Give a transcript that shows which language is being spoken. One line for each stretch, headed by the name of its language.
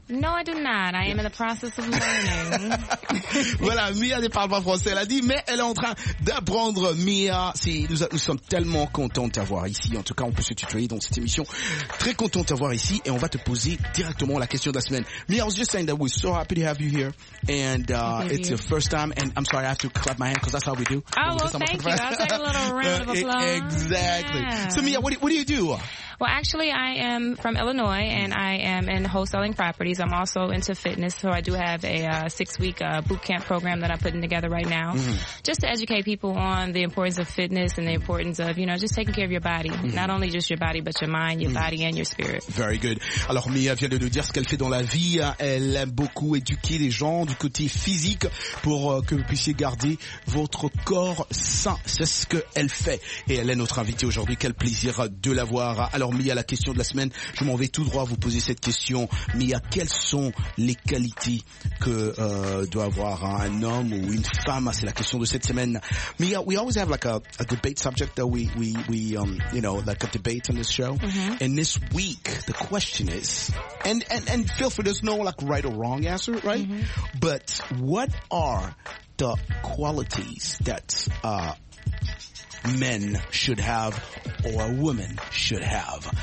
English: No, I do not. I am in the process of learning.
French: Voilà, Mia ne parle pas français, elle a dit, mais elle est en train d'apprendre. Mia, nous sommes tellement contents de t'avoir ici. En tout cas, on peut se tutoyer dans cette émission. Très contents de t'avoir ici et on va te poser directement la question de la semaine.
English: Mia, I was just saying that we're so happy to have you here. And it's your first time. And I'm sorry, I have to clap my hand because that's how we do. Oh, well, thank you. I'll take a little round of applause. Exactly. Yeah. So, Mia, what do you do? Well, actually, I am from Illinois, and I am in wholesaling properties. I'm also into fitness, so I do have a 6-week boot camp program that I'm putting together right now, just to educate people on the importance of fitness and the importance of, you know, just taking care of your body, not only just your body, but your mind, your body, and your spirit. Very good.
French: Alors, Mia vient de nous dire ce qu'elle fait dans la vie. Elle aime beaucoup éduquer les gens du côté physique pour que vous puissiez garder votre corps sain. C'est ce qu'elle fait. Et elle est notre invitée aujourd'hui. Quel plaisir de l'avoir. Alors, Mia, la question de la semaine, je m'en vais tout droit vous poser cette question. Mia, quelles sont les qualités que doit avoir un homme ou une femme? C'est la question de cette semaine.
English: Mia, we always have like a debate subject that we you know, like a debate on this show. Mm-hmm. And this week, the question is, and feel free, there's no like right or wrong answer, right? Mm-hmm. But what are the qualities that men should have or a woman should have?